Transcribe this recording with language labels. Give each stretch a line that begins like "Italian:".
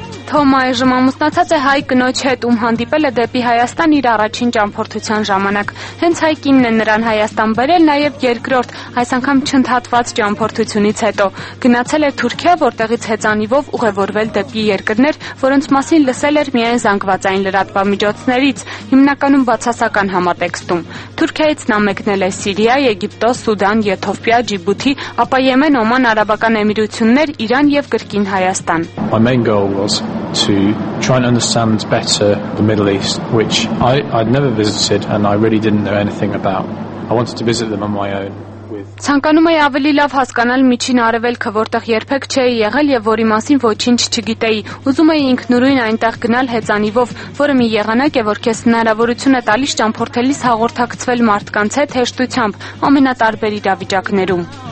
Armenian: Թոմայը ժամամուսնացած է հայ կնոջ հետ, ում հանդիպել է դեպի Հայաստան իր առաջին ճամփորդության ժամանակ։ Հենց հայ կինն է նրան Հայաստան բերել, նաև երկրորդ, այս անգամ չընդհատված ճամփորդությունից հետո։ Գնացել է Թուրքիա, որտեղից հեծանիվով ուղևորվել դեպի երկրներ, որոնց մասին լսել էր միայն զանգվածային լրատվամիջոցներից, հիմնականում բացասական համատեքստում։ Թուրքիայից նա մեկնել է Սիրիա, Եգիպտոս, Սուդան, Եթովպիա, Ջիբուտի, ապա Եմեն, Օման, Արաբական Էմիրություններ, Իրան եւ Գրկին Հայաստան։
English: To try and understand better the Middle East, which I'd never visited and I really didn't know anything about. I wanted to visit them on my own.
Armenian: Ցանկանում եի ավելի լավ հասկանալ միջին արևելքը, որտեղ երբեք չէի եղել եւ որի մասին ոչինչ չգիտեի։ Ուզում եի ինքնուրույն այնտեղ գնալ հեծանիվով, որը մի եղանակ է, որ քեզ հնարավորություն է տալիս ճամփորդելիս հաղորդակցվել մարդկանց հետ հեշտությամբ, ամենատարբեր իրավիճակներում։